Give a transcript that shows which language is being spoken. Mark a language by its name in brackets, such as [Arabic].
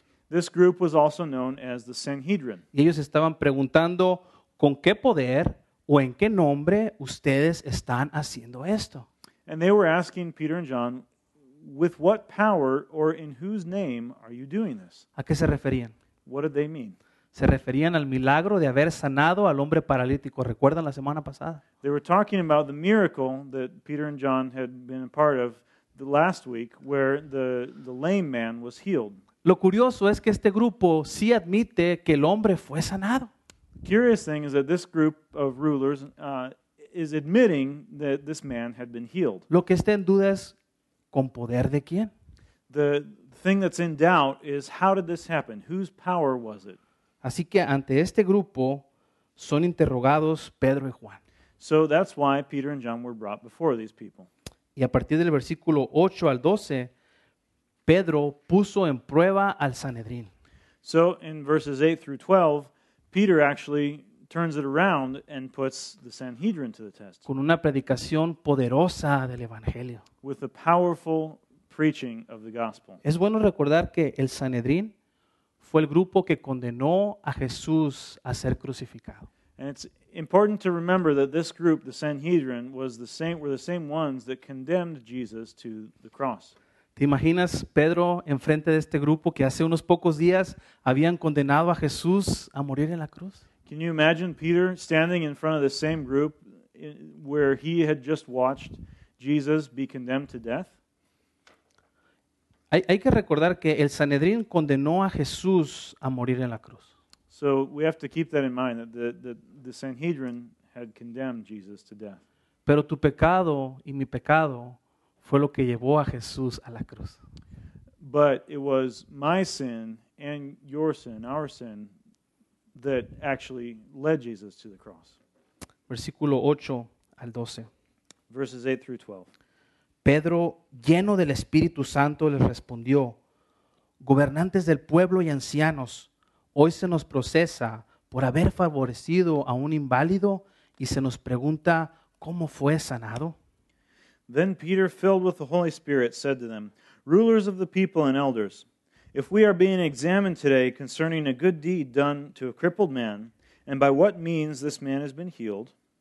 [English] This group was also known as the Sanhedrin. [Spanish] Y ellos estaban preguntando, ¿con qué poder o en qué nombre ustedes están haciendo esto? [English] And they were asking Peter and John, with what power or in whose name are you doing this? [Spanish] ¿A qué se referían? [English] What did they mean? [Spanish] Se referían al milagro de haber sanado al hombre paralítico. ¿Recuerdan la semana pasada? [English] They were talking about the miracle that Peter and John had been a part of the last week where the lame man was healed. [Spanish] Lo curioso es que este grupo sí admite que el hombre fue sanado. [English] The curious thing is that this group of rulers is admitting that this man had been healed. [Spanish] Lo que está en duda es, ¿con poder de quién? [English] The thing that's in doubt is, how did this happen? Whose power was it? [Spanish] Así que ante este grupo son interrogados Pedro y Juan. [English] So that's why Peter and John were brought before these people. [Spanish] Y a partir del versículo 8 al 12, Pedro puso en prueba al Sanedrín. [English] So in verses 8 through 12, Peter actually turns it around and puts the Sanhedrin to the test. [Spanish] Con una predicación poderosa del Evangelio. [English] With a powerful preaching of the gospel. [Spanish] Es bueno recordar que el Sanhedrin fue el grupo que condenó a Jesús a ser crucificado. [English] And it's important to remember that this group, the Sanhedrin, were the same ones that condemned Jesus to the cross. [Spanish] ¿Te imaginas Pedro enfrente de este grupo que hace unos pocos días habían condenado a Jesús a morir en la cruz? [English] Can you imagine Peter standing in front of the same group where he had just watched Jesus be condemned to death? [Spanish] Hay que recordar que el Sanedrín condenó a Jesús a morir en la cruz. [English] So we have to keep that in mind, that the Sanhedrin had condemned Jesus to death. [Spanish] Pero tu pecado y mi pecado fue lo que llevó a Jesús a la cruz. [English] But it was my sin and your sin, our sin, that actually led Jesus to the cross. [Spanish] Versículo 8 al 12. [English] Verses 8 through 12. [Spanish] Pedro, lleno del Espíritu Santo, les respondió, "Gobernantes del pueblo y ancianos, hoy se nos procesa por haber favorecido a un inválido y se nos pregunta cómo fue sanado." [English] Then Peter, filled with the Holy Spirit, said to them, "Rulers of the people and elders, if we are being examined today concerning a good deed done to a crippled man, and by what means this man has been healed,